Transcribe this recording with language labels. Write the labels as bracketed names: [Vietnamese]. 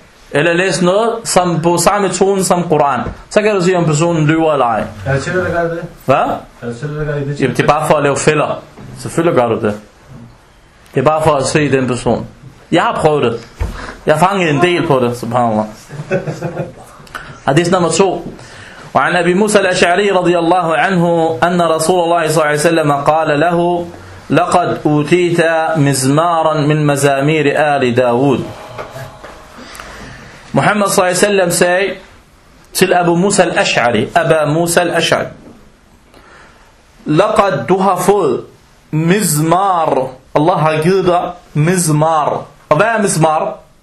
[Danish] Eller læse noget som på samme tone som Koran. Så kan du sige, om personen lyver eller ej. Jeg har selv gør det. Hvad? Jeg har selv gør det. Jamen, det er bare for at lave fælder. Selvfølgelig gør du det. Det er bare for at se den person. Jeg har prøvet det. Jeg fangede en del på det, subhanallah. Hadith nummer 2. [Arabic] وعن أبي موسى الأشعري رضي الله عنه أن رسول الله صلى الله عليه وسلم قال له لقد أوتيت مزمارا من مزامير آل داود. [Danish] Muhammad صلى الله عليه وسلم sagde til Abu Musa al-Ash'ari, Abu Musa al-Ash'ari, لقد du har fået mizmar. Allah har givet dig mizmar. Og hvad er mizmar?